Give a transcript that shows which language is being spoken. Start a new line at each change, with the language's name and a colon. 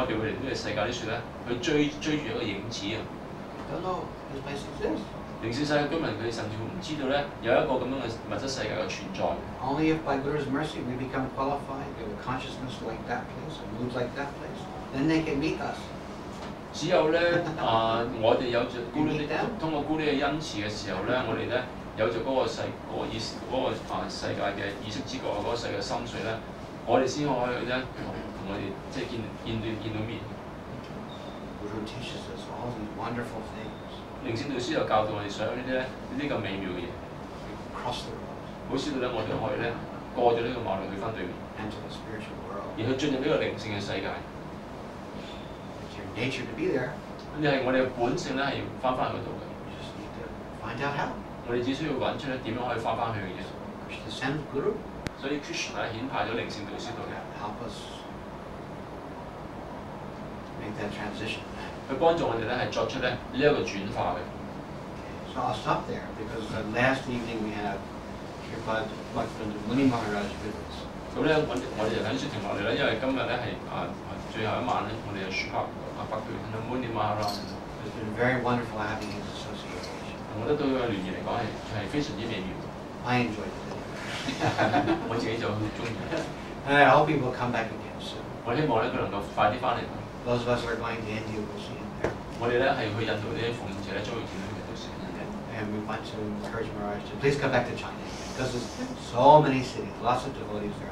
Cantonese: 佢靈性世界居民都唔知點解我哋會嚟呢個世界啲樹咧，去追住一個影子啊。
English: I don't know this place exists.
Cantonese: 靈性世界居民佢甚至乎唔知道咧有一個咁樣嘅物質世界嘅存在。
English: Only if by Guru's mercy we become qualified, we have a consciousness like that place, a mood like that place, then they can meet us.
Cantonese: 只有咧啊，我哋有著咕嚕嘅恩慈嘅時候咧，我哋咧有著嗰個世界嘅意識之覺，嗰個世界嘅心水咧，我哋先可以咧同我哋即係見到面。
English: Guru teaches us all these wonderful things.
Cantonese: 靈性導師就教導我哋想呢啲咧，呢個美妙嘅嘢。
English: Cross the road。
Cantonese: 好使到咧，我哋可以咧過咗呢個馬路去翻對面。
English: Into the spiritual world。
Cantonese: 而去進入呢個靈性嘅世界。
English: It's your nature to be there。
Cantonese: 你係我哋本性咧，係要翻翻去嗰度嘅。
English: You just need to find out how。
Cantonese: 我哋只需要揾出咧點樣可以翻翻去嘅嘢。
English: Krishna sent the guru。
Cantonese: 所以 Krishna 顯派咗靈性導師到嚟。
English: Help us make that transition。
Cantonese: 去幫助我哋咧，係作出咧呢一個轉化嘅。
English: So I'll stop there because the last evening we have here, but from the Muni Maharaj visits.
Cantonese: 咁咧，我哋就緊接停落嚟啦，因為今日咧係最後一晚咧，我哋又説法啊，北對聽到 Muni Maharaj。
English: It's been very wonderful having his association.
Cantonese: 我覺得對佢聯誼嚟講係非常之美妙。
English: I enjoyed it.
Cantonese: 我自己就好中意。
English: And I hope he will come back again soon.
Cantonese: 我希望咧佢能夠快啲翻嚟。
English: Those of us who are going to India will see him there.
Cantonese: 我哋咧係去印度啲奉獻者咧，將會見到佢到時。
English: And we want to encourage Maharaj to please come back to China because there's so many cities, lots of devotees there.